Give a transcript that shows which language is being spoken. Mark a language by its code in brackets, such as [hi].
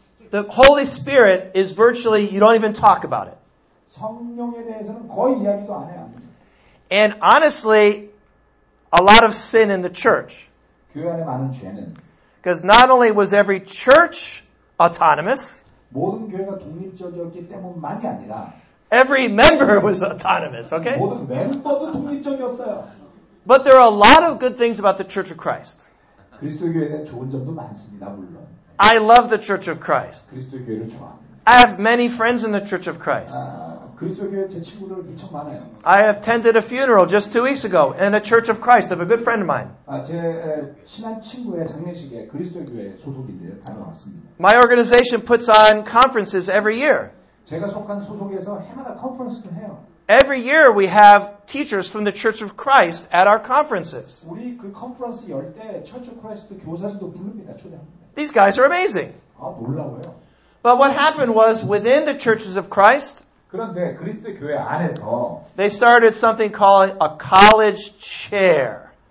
[en] The Holy Spirit is virtually, you don't even talk about it. [ko] 성령에 대해서는 거의 이야기도 안 해요. [en] And honestly, a lot of sin in the church. [ko] 교회 안에 많은 죄는. [en] Because not only was every church autonomous. [ko] 모든 교회가 독립적이었기 때문만이 아니라. [en] Every member was autonomous, okay? [ko] 모든 멤버도 독립적이었어요. [en] But there are a lot of good things about the Church of Christ. [ko] 그리스도 교회에 대한 좋은 점도 많습니다, 물론. [en] I love the Church of Christ. [ko] 그리스도 교회를 좋아. [en] I have many friends in the Church of Christ. [ko] 그리스도 교회에 제 친구들 엄청 많아요. [en] I attended a funeral just 2 weeks ago in a Church of Christ of a good friend of mine. [ko] 제 친한 친구의 장례식에 그리스도 교회 소속인들 다녀왔습니다. [en] My organization puts on conferences every year. [ko] 제가 속한 소속에서 해마다 컨퍼런스를 해요. [en] Every year we have teachers from the Church of Christ at our conferences. [ko] 우리 그 컨퍼런스 열 때 Church of Christ 교사들도 부릅니다, 초대합니다. [en] These guys are amazing. [ko] 아, 놀라워요. [en] But what happened was within the Churches of Christ, [ko] 그런데 그리스도 교회 안에서 [en] they started something called a college chair.